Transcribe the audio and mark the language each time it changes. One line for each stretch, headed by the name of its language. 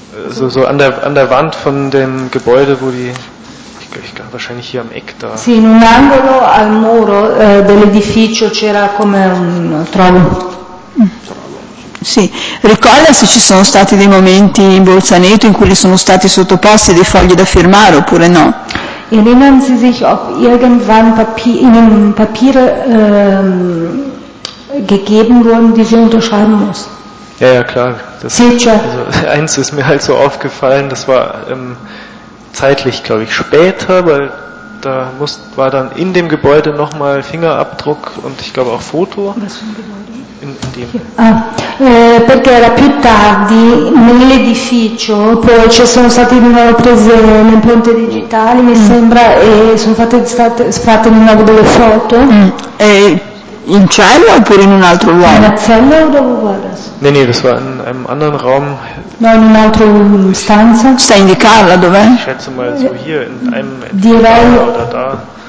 German: So an der Wand von dem Gebäude, wo die, ich glaube wahrscheinlich hier am Eck da.
Italian: Sì, in un angolo al muro dell'edificio c'era come un trono. Sì, ricorda se ci sono stati dei momenti in Bolzaneto in cui le sono stati sottoposti dei fogli da firmare oppure no?
German: Erinnern Sie sich, ob irgendwann Papiere gegeben wurden, die Sie unterschreiben mussten? Ja, klar. Also eins ist mir halt so aufgefallen, das war zeitlich, glaube ich, später, weil da war dann in dem Gebäude nochmal Fingerabdruck und ich glaube auch Foto. Was für ein Gebäude?
Italian: Perché era più tardi nell'edificio, poi ci sono state di nuovo prese le impronte digitali, mi sembra, e sono fatte di nuovo delle foto. E in cella oppure in un altro luogo? In una cella o dove vuoi adesso?
German: Nee, das war in einem anderen Raum.
Italian: No, in un'altra stanza. Stai a indicarla dov'è?
German: Schätze mal so hier in einem
Italian: Direi
German: oder da.